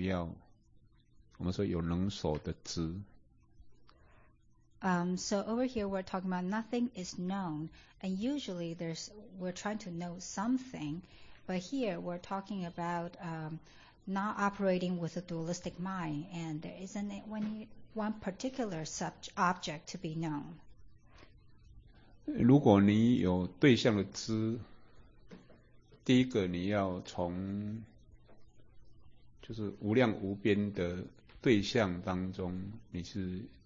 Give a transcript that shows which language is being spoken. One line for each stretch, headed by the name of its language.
Chinese: 所以这边的无知，通常我们的知一定是有对象的知，那这边的无知是你的心不要，我们说有能所的知。
English: So over here we're talking about nothing is known, and usually we're trying to know something, but here we're talking about not operating with a dualistic mind, and there isn't one particular object to be known.
Chinese: 如果你有对象的知，第一个你要从就是无量无边的对象当中，你是。